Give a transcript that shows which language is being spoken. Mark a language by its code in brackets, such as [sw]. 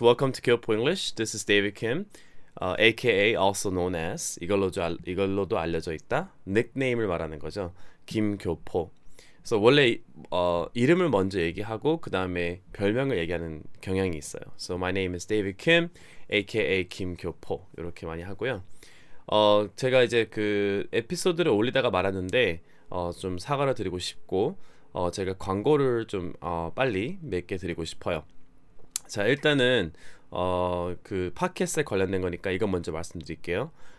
[en] Welcome to Kyopo English. This is David Kim, aka also known as [ko] 이걸로도 알려져 있다. 닉네임을 말하는 거죠. 김교포. So 원래 이름을 먼저 얘기하고 그 다음에 별명을 얘기하는 경향이 있어요. [en] So my name is David Kim, aka 김교포. [ko] 이렇게 많이 하고요. 제가 이제 그 에피소드를 올리다가 말았는데 좀 사과를 드리고 싶고 제가 광고를 좀 빨리 맺게 드리고 싶어요. 자, 일단은 그 팟캐스트에 관련된 거니까 이건 먼저 말씀드릴게요.